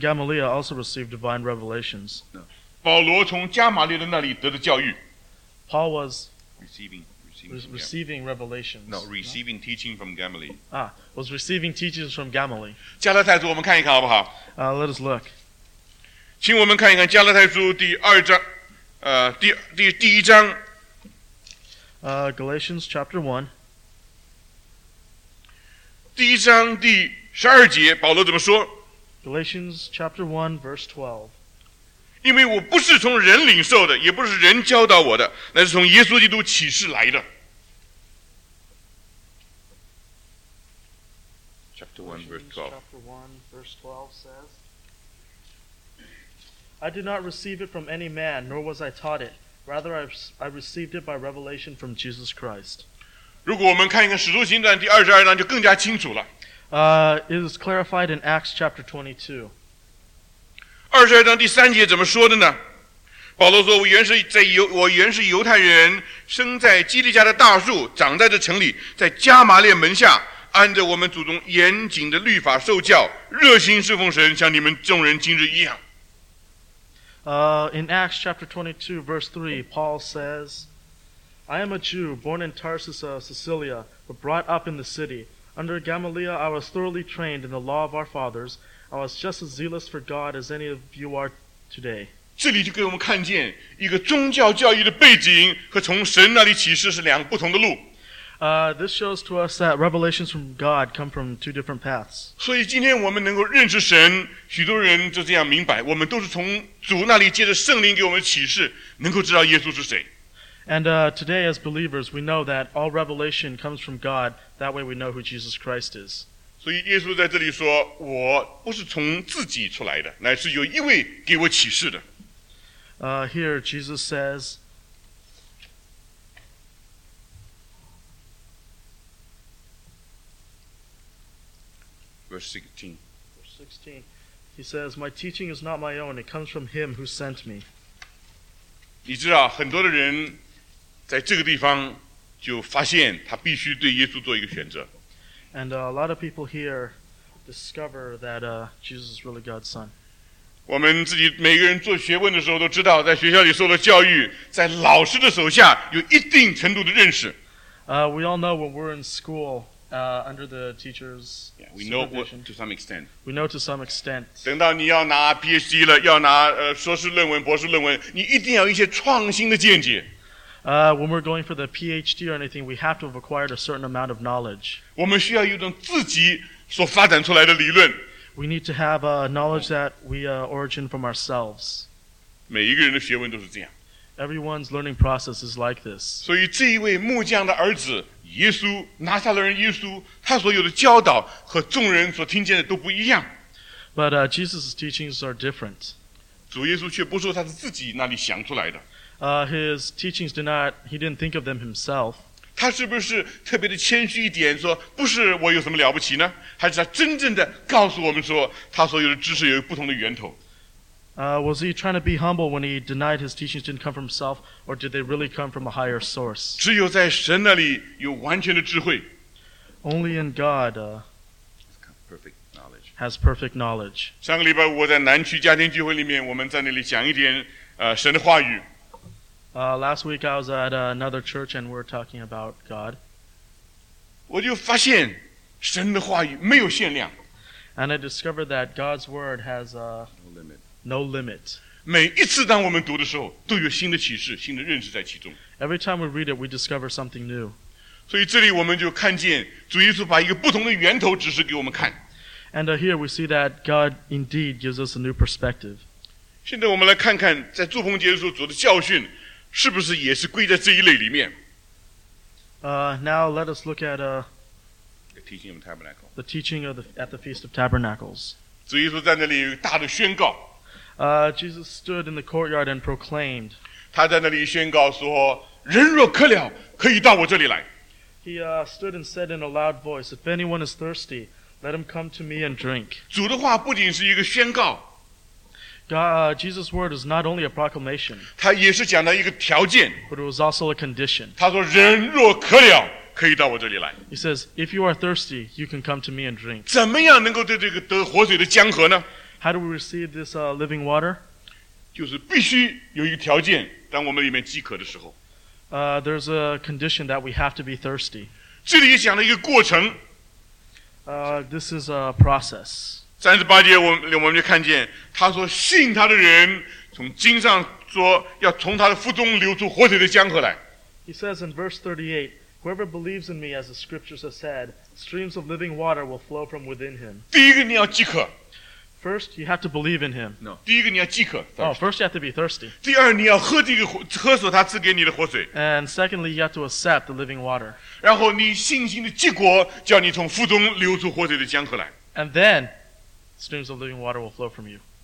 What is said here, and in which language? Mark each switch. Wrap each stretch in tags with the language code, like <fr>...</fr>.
<en>Gamaliel also received divine revelations.</en> <zh>保罗从加玛列的那里得的教育。</zh> <en>Paul was receiving revelations. No, receiving teaching from Gamaliel. Ah, was receiving teachings from Gamaliel.</en> <zh>加拉太书我们看一看好不好？</zh> <en>Let us look.</en> <zh>请我们看一看加拉太书第二章，第一章。</zh> <en>Galatians chapter 1.</en> <zh>第一章第十二节，保罗怎么说？</zh> <en>Galatians chapter 1 verse 12.</en> <zh>因为我不是从人领受的，也不是人教导我的，乃是从耶稣基督启示来的。</zh> <en>Chapter 1, verse 12. Chapter 1, verse 12 says, I did not receive it from any man, nor was I taught it. Rather, I received it by revelation from Jesus Christ.</en> <zh>如果我们看一看《使徒行传》第二十二章，就更加清楚了。</zh> <en>It is clarified in Acts chapter 22.</en> <zh>二十二章第三节怎么说的呢？保罗说：“我原是犹太人，生在基利家的大树，长在这城里，在加玛列门下，按着我们祖宗严谨的律法受教，热心侍奉神，像你们众人今日一样。”</zh> <en>In Acts chapter 22, verse 3, Paul says, "I am a Jew, born in Tarsus of Cilicia, but brought up in the city. Under Gamaliel, I was thoroughly trained in the law of our fathers." I was just as zealous for God as any of you are today.</en> <zh>这里就给我们看见一个宗教教育的背景和从神那里启示是两个不同的路。</zh> <en>This shows to us that revelations from God come from two different paths.</en> <zh>所以今天我们能够认识神，许多人就这样明白，我们都是从主那里借着圣灵给我们启示，能够知道耶稣是谁。</zh> <en>And today as believers, we know that all revelation comes from God, that way we know who Jesus Christ is.</en> <zh>所以耶稣在这里说，我不是从自己出来的，乃是有一位给我启示的。</zh> <en>Here Jesus says, Verse 16, He says, My teaching is not my own, it comes from him who sent me.</en> <zh>你知道，很多的人在这个地方就发现他必须对耶稣做一个选择。</zh> <en>And a lot of people here discover that Jesus is really God's son.</en> <zh>我们自己每个人做学问的时候都知道，在学校里受了教育，在老师的手下有一定程度的认识。</zh> <en>We all know when we're in school, under the teacher's supervision. We know to some extent. We know to some extent.</en> <zh>等到你要拿 PhD 了，要拿硕士论文、博士论文，你一定要有一些创新的见解。</zh> <en>When we're going for the PhD or anything, we have to have acquired a certain amount of knowledge.</en> <zh>我们需要有一种自己所发展出来的理论。</zh> <en>We need to have a knowledge that we origin from ourselves.</en> <zh>每一个人的学问都是这样。</zh> <en>Everyone's learning process is like this.</en> <zh>所以这一位木匠的儿子耶稣，拿撒勒人耶稣，他所有的教导和众人所听见的都不一样。</zh> <en>But Jesus' teachings are different.</en> <zh>主耶稣却不说他是自己那里想出来的。</zh> <en>His teachings did not, he didn't think of them himself.</en> <zh>他是不是特别的谦虚一点说不是我有什么了不起呢？还是他真正的告诉我们说他所有的知识有不同的源头？</zh> <en>Was he trying to be humble when he denied his teachings didn't come from himself, or did they really come from a higher source?</en> <zh>只有在神那里有完全的智慧。</zh> <en>Only in God, perfect knowledge. Has perfect knowledge.</en> <zh>上个礼拜我在南区家庭聚会里面，我们在那里讲一点神的话语。</zh> <en>Last week I was at another church and we were talking about God.</en> <zh>我就发现神的话语没有限量。</zh> <en>And I discovered that God's word has no limit.</en> <zh>每一次当我们读的时候，都有新的启示、新的认识在其中。</zh> <en>Every time we read it, we discover something new.</en> <zh>所以这里我们就看见主耶稣把一个不同的源头指示给我们看。</zh> <en>And here we see that God indeed gives us a new perspective.</en> <zh>现在我们来看看在祝棚节的时候主的教训是不是也是归在这一类里面。</zh> <en>Now let us look at the teaching of the tabernacle. The teaching of at the Feast of Tabernacles.</en> <zh>主耶稣在那里有大的宣告。</zh> <en>Jesus stood in the courtyard and proclaimed.</en> <zh>他在那里宣告说人若渴了可以到我这里来。</zh> <en>He stood and said in a loud voice, If anyone is thirsty, let him come to me and drink.</en> <zh>主的话不仅是一个宣告。</zh> <en>Jesus' word is not only a proclamation,</en> <zh>他也是讲到一个条件。</zh> <en>But it was also a condition.</en> <zh>他说人若渴了可以到我这里来。</zh> <en>He says, If you are thirsty, you can come to me and drink.</en> <zh>怎么样能够对这个得活水的江河呢？</zh> <en>How do we receive this living water?</en> <zh>就是必须有一个条件，当我们里面饥渴的时候。</zh> <en>There's a condition that we have to be thirsty.</en> <zh>这里也讲了一个过程。</zh> <en>This is a process.</en> <zh>三十八节我们就看见他说信他的人从经上说要从他的腹中流出活水的江河来。</zh> <en>He says in verse 38, whoever believes in me, as the scriptures have said, streams of living water will flow from within him.</en> <zh>第一个你要饥渴。</zh> <en>First, you have to believe in him. No.</en> <zh>第一个你要饥渴。</zh> <en>First, you have to be thirsty.</en> <zh>第二，你要喝这个喝所他赐给你的活水。</zh> <en>And secondly, you have to accept the living water.</en> <zh>然后你信心的结果叫你从腹中流出活水的江河来。</zh> <en>And then, streams of living water will flow from you.</en>